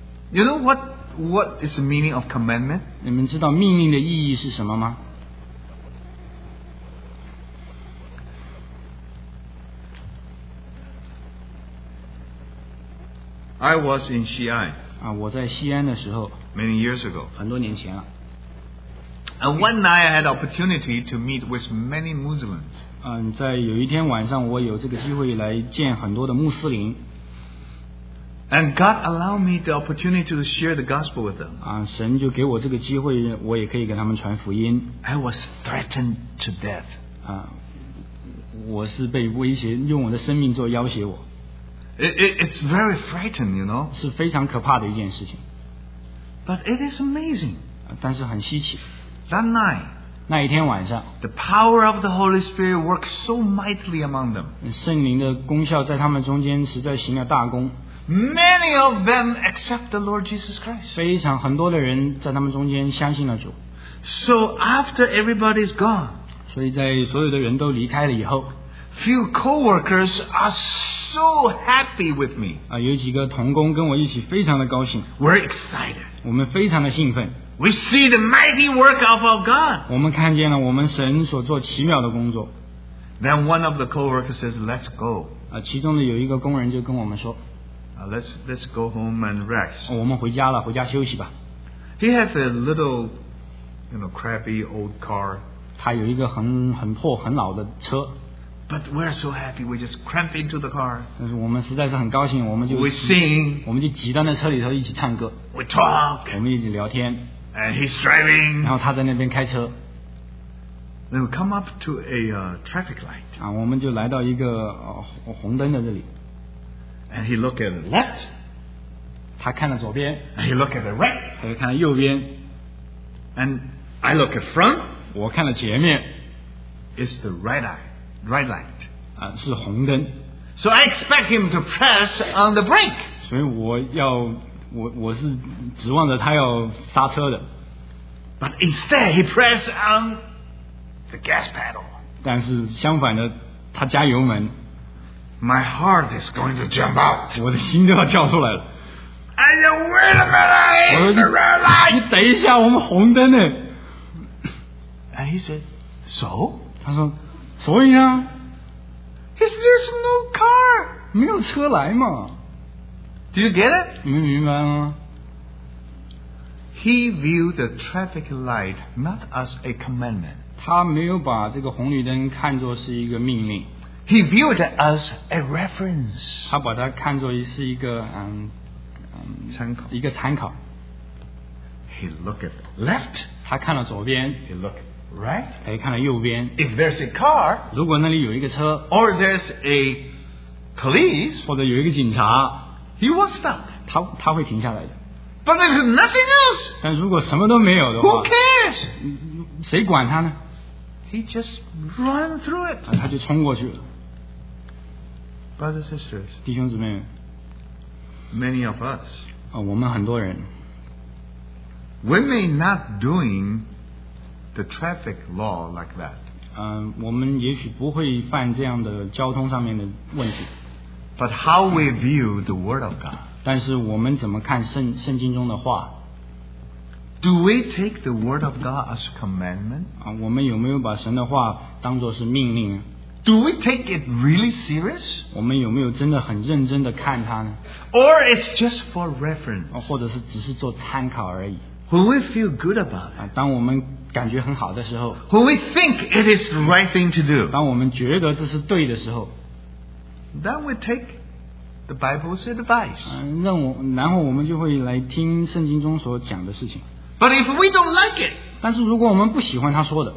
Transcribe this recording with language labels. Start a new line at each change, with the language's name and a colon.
English: You know what is the meaning of commandment?
Chinese: 你们知道命令的意义是什么吗？
English: I was in Xi'an.
Chinese: 我在西安的时候。
English: Many years ago.
Chinese: 很多年前了。
English: And one night I had opportunity to meet with many Muslims.
Chinese: 在有一天晚上我有这个机会来见很多的穆斯林。
English: And God allowed me the opportunity to share the gospel with them.
Chinese: 神就给我这个机会，我也可以给他们传福音。
English: I was threatened to death.
Chinese: 我是被威胁，用我的生命做要挟我。
English: It's very frightening, you know.
Chinese: 是非常可怕的一件事情。
English: But it is amazing.
Chinese: 但是很稀奇。
English: That night,
Chinese: 那一天晚上，
English: the power of the Holy Spirit works so mightily among them.
Chinese: 圣灵的功效在他们中间实在行了大功。
English: Many of them accept the Lord Jesus Christ.
Chinese: 非常很多的人在他们中间相信了主。
English: So after everybody's gone,
Chinese: 所以在所有的人都离开了以后，
English: few co-workers are so happy with me.
Chinese: 有几个同工跟我一起非常的高兴。
English: We're excited.
Chinese: 我们非常的兴奋。
English: We see the mighty work of our God.
Chinese: 我们看见了我们神所做奇妙的工作。
English: Then one of the co-workers says, "Let's go."
Chinese: 其中的有一个工人就跟我们说。
English: Let's go home and rest.
Chinese: 我们回家了，回家休息吧。
English: He has a little, you know, crappy old car.
Chinese: 他有一个很破很老的车。
English: But we're so happy, we just cramp into the car.
Chinese: 但是我们实在是很高兴，我们就
English: we sing.
Chinese: 我们就挤到那车里头一起唱歌。
English: We talk.
Chinese: 我们一起聊天。
English: And he's driving.
Chinese: 然后他在那边开车。
English: Then we come up to a traffic light.
Chinese: 我们就来到一个红灯的这里。
English: And he looked at the left.
Chinese: 他看了左边。
English: And he looked at the right.
Chinese: 他又看了右边。
English: And I look at front.
Chinese: 我看了前面。
English: It's the right eye, right light.
Chinese: 是红灯。
English: So I expect him to press on the brake.
Chinese: 所以我是指望着他要刹车的。
English: But instead, he pressed on the gas pedal.
Chinese: 但是相反的，他加油门。
English: My heart is going to jump out.
Chinese: 我的心都要跳出来了。
English: And you wait a minute. It's the red light.
Chinese: 你等一下，我们红灯呢。
English: And he said, "So?"
Chinese: 他说，所以呢。
English: Is there no car?
Chinese: 没有车来嘛。
English: Do you get it?
Chinese: 你们明白吗？
English: He viewed the traffic light not as a commandment.
Chinese: 他没有把这个红绿灯看作是一个命令。
English: He viewed it as a reference.
Chinese: 他把它看作是一个参考，一个参考。
English: He looked at left.
Chinese: 他看了左边。
English: He looked right.
Chinese: 他看了右边。
English: If there's a car,
Chinese: 如果那里有一个车
English: ，or there's a police,
Chinese: 或者有一个警察
English: ，he will stop.
Chinese: 他会停下来的。
English: But if there's nothing else,
Chinese: 但如果什么都没有的话
English: ，who cares?
Chinese: 谁管他呢？
English: He just ran through it.
Chinese: 他就冲过去了。
English: Brothers and sisters,
Chinese: 弟兄姊妹们，
English: many of us,
Chinese: 我们很多人，
English: we may not doing the traffic law like that.
Chinese: 我们也许不会犯这样的交通上面的问题。
English: But how we view the Word of God?
Chinese: 但是我们怎么看圣经中的话？
English: Do we take the word of God as a commandment?
Chinese: 我们有没有把神的话当作是命令？
English: Do we take it really serious?
Chinese: 我们有没有真的很认真的看它呢？
English: Or it's just for reference?
Chinese: 或者是只是做参考而已？
English: When we feel good about it?
Chinese: 当我们感觉很好的时候？
English: When we think it is the right thing to do?
Chinese: 当我们觉得这是对的时候？
English: Then we take the Bible's advice.
Chinese: 然后我们就会来听圣经中所讲的事情。
English: But if we don't like it,
Chinese: 但是如果我们不喜欢他说的，